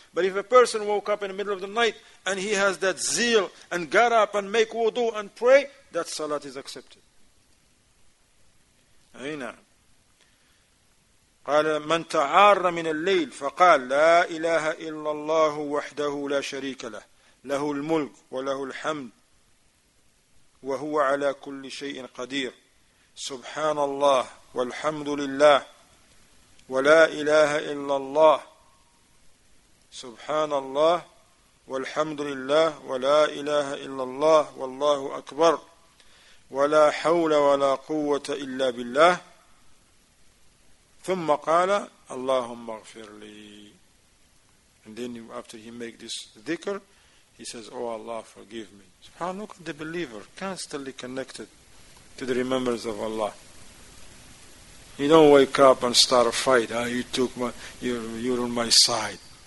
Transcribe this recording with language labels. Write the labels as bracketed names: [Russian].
[English] But if a person woke up in the middle of the night and he has that zeal and got up and make wudu and pray, that salat is accepted. [Arabic] أَيْنَا قَالَ مَنْ تَعَارَّ مِنَ اللَّيْلِ فَقَالَ لَا إِلَهَ إِلَّا اللَّهُ وَحْدَهُ لَا شَرِيكَ لَهُ له الملك وله الحمد وهو على كل شيء قدير سبحان الله والحمد لله ولا إله إلا الله سبحان الله والحمد لله ولا إله إلا الله والله أكبر ولا حول ولا قوة إلا بالله ثم قال اللهم اغفر لي. [English] And then after he make this dhikr, he says, oh Allah, forgive me. SubhanAllah, look at the believer, constantly connected to the remembrance of Allah. You don't wake up and start a fight. Oh, you took my, you're on my side.